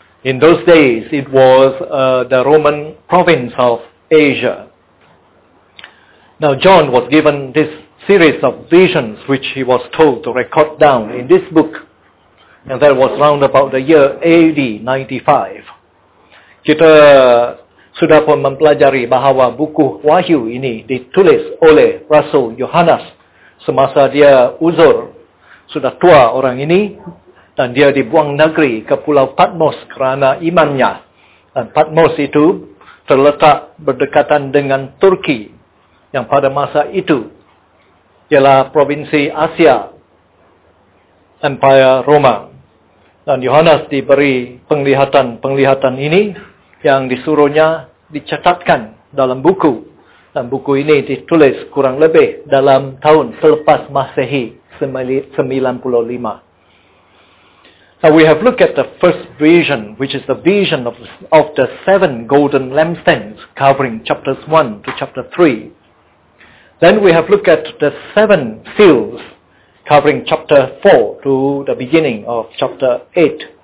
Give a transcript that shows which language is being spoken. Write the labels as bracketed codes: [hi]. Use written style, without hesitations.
[en] In those days, it was the Roman province of Asia. Now, John was given this series of visions which he was told to record down in this book. And that was round about the year AD 95. [ms] Kita sudah pun mempelajari bahawa buku Wahyu ini ditulis oleh Rasul Yohanes semasa dia uzur, sudah tua orang ini, dan dia dibuang negeri ke Pulau Patmos kerana imannya. Dan Patmos itu terletak berdekatan dengan Turki yang pada masa itu ialah provinsi Asia, Empire Roma. Dan Yohanes diberi penglihatan-penglihatan ini yang disuruhnya dicatatkan dalam buku. Dan buku ini ditulis kurang lebih dalam tahun selepas Masehi 95. [en] Now we have looked at the first vision, which is the vision of the seven golden lampstands covering chapters 1 to chapter 3. Then we have looked at the seven seals covering chapter 4 to the beginning of chapter 8.